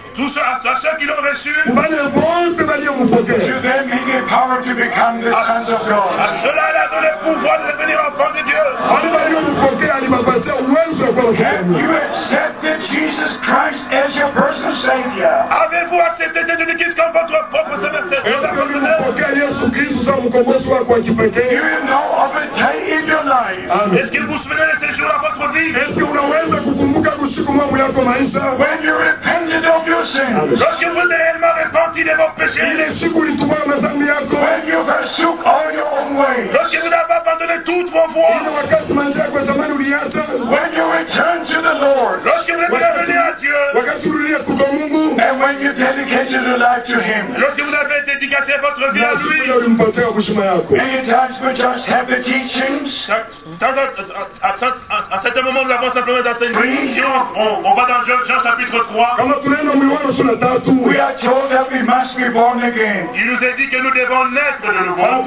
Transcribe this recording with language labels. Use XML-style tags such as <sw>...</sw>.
<fr>tous ceux, à tous ceux qui l'ont reçu,</fr> <en>to them he gave power to become the sons of God.</en> <fr>À cela, il a donné le pouvoir de devenir enfant de Dieu.</fr> <en>Have you accepted Jesus Christ as your personal Savior?</en> <fr>Avez-vous accepté Jésus-Christ comme votre propre Sauveur?</fr> <en>Do you know of a day in your life? Amen.</en> <fr>Est-ce que vous souvenez de ces jours à votre vie?</fr> <en>When you repented of your sins,</en> <fr>lorsque vous êtes réellement repenti de vos péchés,</fr> <en>when you forsook all your own ways,</en> <fr>lorsque vous avez abandonné toutes vos voies,</fr> <en>when you returned to the Lord,</en> <fr>lorsque vous êtes revenu à Dieu,</fr> <en>and when you dedicated your life to Him,</en> <fr>lorsque vous avez dédicacé votre vie à Lui,</fr> <en>many times we just have the teachings.</en> <fr>À certain moment, nous avons simplement des enseignements. On va dans Jean chapitre 3.</fr> <en>We are told that we must be born again.</en> <fr>Il nous a dit que nous devons naître de nouveau.</fr>